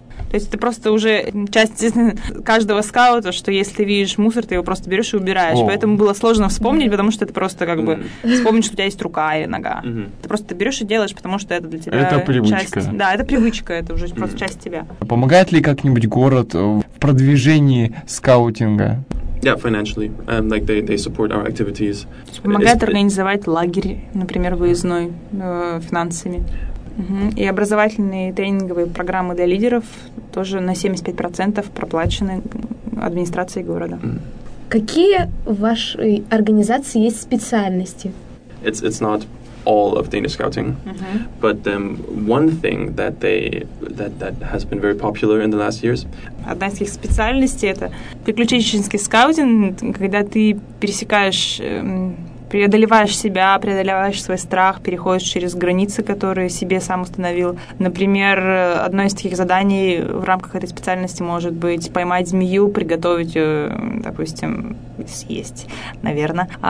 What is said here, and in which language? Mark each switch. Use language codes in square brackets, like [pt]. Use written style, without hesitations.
[ru] То есть это просто уже часть каждого скаута, что если ты видишь мусор, ты его просто берешь и убираешь. Поэтому было сложно вспомнить, потому что это просто как бы вспомнить, что у тебя есть рука или нога. Ты просто это берешь и делаешь, потому что это для тебя часть. Это привычка. Часть, да, это привычка, это уже просто часть тебя. Помогает ли как-нибудь город в продвижении скаутинга? [en] Yeah, financially. Like they support our activities. [ru] Помогает организовать лагерь, например, выездной, финансами. И образовательные тренинговые программы для лидеров тоже на 75% проплачены администрацией города. Какие в вашей организации есть специальности? [en] It's not all of Danish Scouting. But one thing that they that has been very popular in the last years. [ru] Одна из их специальностей — это приключенческий скаутинг, когда ты пересекаешь, преодолеваешь себя, преодолеваешь свой страх, переходишь через границы, которые себе сам установил. Например, одно из таких заданий в рамках этой специальности может быть поймать змею, приготовить ее, допустим, съесть, наверное.